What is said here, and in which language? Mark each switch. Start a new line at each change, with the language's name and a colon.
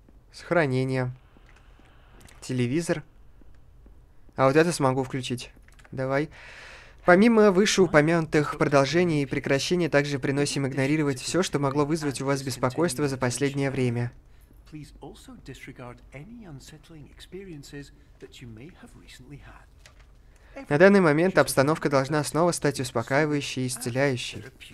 Russian: Сохранение. Телевизор. А вот это смогу включить. Давай. Помимо вышеупомянутых продолжений и прекращений, также приносим игнорировать все, что могло вызвать у вас беспокойство за последнее время.
English: Please also disregard any unsettling experiences that you may have recently had.
Russian: На данный момент обстановка должна снова стать успокаивающей и исцеляющей.